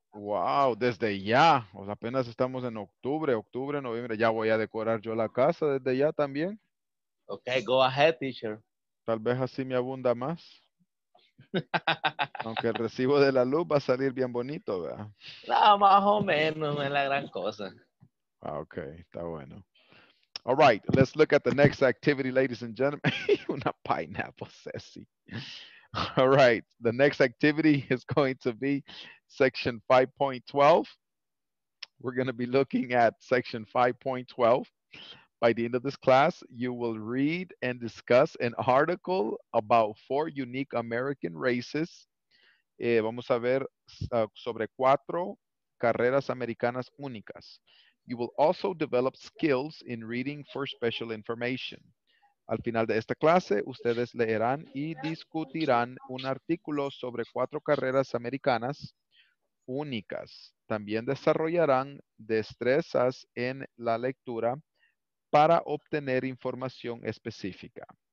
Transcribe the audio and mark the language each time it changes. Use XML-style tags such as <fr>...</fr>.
<es>Wow, desde ya. O sea, apenas estamos en octubre, noviembre. Ya voy a decorar yo la casa desde ya también.</es> <en>Ok, go ahead, teacher.</en> <es>Tal vez así me abunda más. Aunque el recibo de la luz va a salir bien bonito, ¿verdad? No, más o menos, no es la gran cosa. Ok, está bueno.</es> <en>All right, let's look at the next activity, ladies and gentlemen. Una pineapple, Ceci. All right, the next activity is going to be section 5.12. We're going to be looking at section 5.12. By the end of this class, you will read and discuss an article about four unique American races.</en> <es>Vamos a ver sobre cuatro carreras americanas únicas.</es> <en>You will also develop skills in reading for special information.</en> <es>Al final de esta clase, ustedes leerán y discutirán un artículo sobre cuatro carreras americanas únicas. También desarrollarán destrezas en la lectura para obtener información específica.</es>